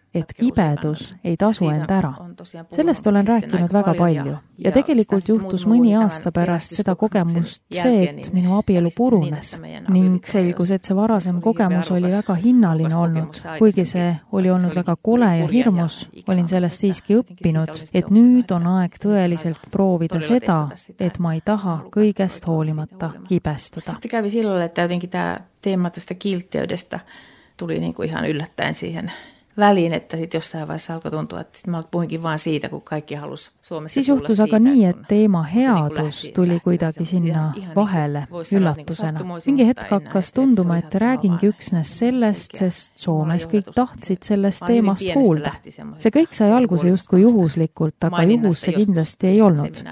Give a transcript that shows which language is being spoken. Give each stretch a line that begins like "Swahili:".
Estonian: et kibedus ei tasu end ära. Sellest olen rääkinud väga palju ja tegelikult juhtus mõni aasta pärast seda kogemust see, et minu abielu purunes ning selgus, et see varasem kogemus oli väga hinnaline olnud. Kuigi see oli olnud väga kole ja hirmus, olin sellest siiski õppinud, et nüüd on aeg tõeliselt proovida seda, et ma ei taha kõigest hoolimata kibestuda.
Finnish: Sitte kävi silloin, et jotenkin tämä teema tästä kiltteydestä tuli niinku ihan yllättäen siihen väliin, että sitten jossain vaiheessa alkoi tuntua, että sit mä puhinkin vaan siitä, kun kaikki halusi Suomessa
Estonian: siis juhtus aga nii, et teema headus tuli kuidagi sinna vahele üllatusena. Mingi hetk hakkas tunduma, et räägingi üksnes sellest, sest Soomes kõik tahtsid sellest teemast kuulda. See kõik sai alguse just kui juhuslikult, aga juhus see kindlasti ei olnud.